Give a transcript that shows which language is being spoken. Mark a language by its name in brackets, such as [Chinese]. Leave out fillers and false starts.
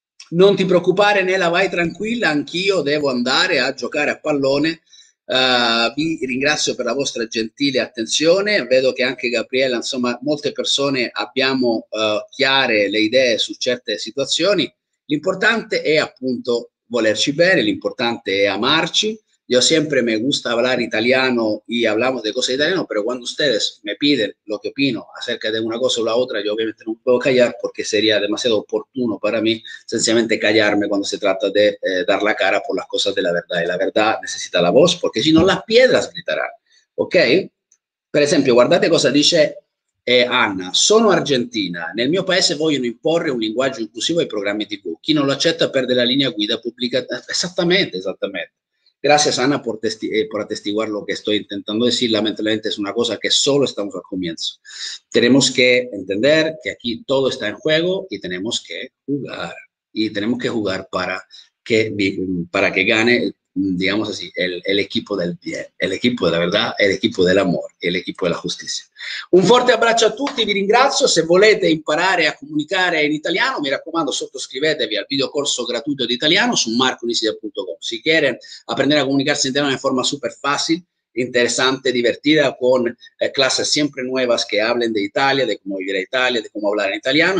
[Italian] Non ti preoccupare, Nela, vai tranquilla, anch'io devo andare a giocare a pallone. Vi ringrazio per la vostra gentile attenzione. Vedo che anche Gabriella, insomma, molte persone abbiamo chiare le idee su certe situazioni. L'importante è appunto volerci bene, l'importante è amarci. Io sempre [Spanish] me gusta hablar italiano y hablamos de cosas italiano, pero cuando ustedes me piden lo que opino acerca de una cosa o la otra, yo obviamente no puedo callar porque sería demasiado oportuno para mí sencillamente callarme cuando se trata de dar la cara por las cosas de la verdad. Y la verdad necesita la voz porque si no, las piedras gritarán. ¿Ok? Por ejemplo, [Italian] guardate cosa dice [Spanish] Anna. [Italian] Sono argentina. Nel mio paese vogliono imporre un linguaggio inclusivo ai programmi TV. Chi non lo accetta perde la linea guida pubblica. [Spanish] Exactamente, exactamente. Gracias, Ana, por atestiguar lo que estoy intentando decir. Lamentablemente es una cosa que solo estamos al comienzo. Tenemos que entender que aquí todo está en juego y tenemos que jugar. Y tenemos que jugar para que gane, digamos así, el equipo del bien, el equipo de la verdad, el equipo del amor, el equipo de la justicia. [Italian] Un forte abbraccio a tutti, vi ringrazio. Se volete imparare a comunicare in italiano, mi raccomando, sottoscrivetevi al videocorso gratuito di italiano su marconisida.com. Se volete apprendere a comunicarsi in italiano in forma super facile, interessante, divertida, con classi sempre nuove che hablen di Italia, di come vivere in Italia, di come parlare in italiano.